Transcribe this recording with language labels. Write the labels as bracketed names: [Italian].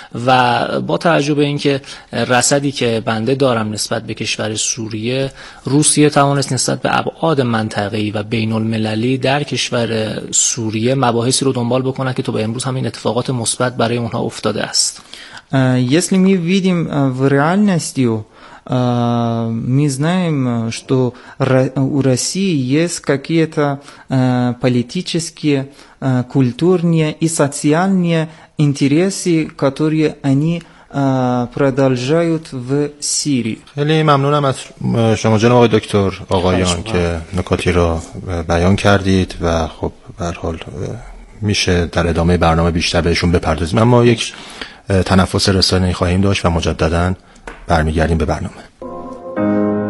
[Persian] و با توجه به اینکه رصدی که بنده دارم نسبت به کشور سوریه، روسیه توانست نسبت به ابعاد منطقه‌ای و بین المللی در کشور سوریه مباحثی رو دنبال بکنه که تو به امروز همین اتفاقات مثبت برای اونها افتاده است. [Russian] Если мы видим в реальности, мы знаем, что у России есть какие-то политические, культурные и социальные интересы, которые они продолжают в Сирии. [Persian] خیلی ممنونم از شما جناب آقای دکتر آقایان که نکاتی رو بیان کردید و خب به هر حال میشه در ادامه برنامه بیشتر بهشون بپردازیم، اما یک تنفس رسانه‌ای خواهیم داشت و مجدداً برمیگردیم به برنامه.